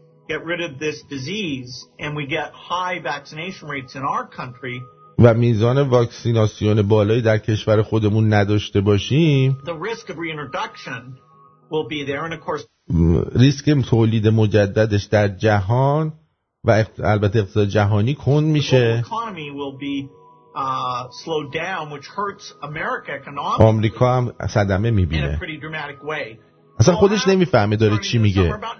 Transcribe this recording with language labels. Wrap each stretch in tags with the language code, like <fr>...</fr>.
<en>get rid of this disease and we get high vaccination rates in our country</en> <fa>و میزان واکسیناسیون بالایی در کشور خودمون نداشته باشیم،</fa> <en>the risk of reintroduction will be there and of course</en> <fa>ریسک تولید مجددش در جهان و البته اقتصاد جهانی کند میشه،</fa> <en>the economy will be slowed down which hurts America economically.</en> <fa>آمریکا هم صدمه میبینه.</fa> <en>In a pretty dramatic way.</en> <fa>اصلا خودش نمیفهمه داره چی میگه.</fa>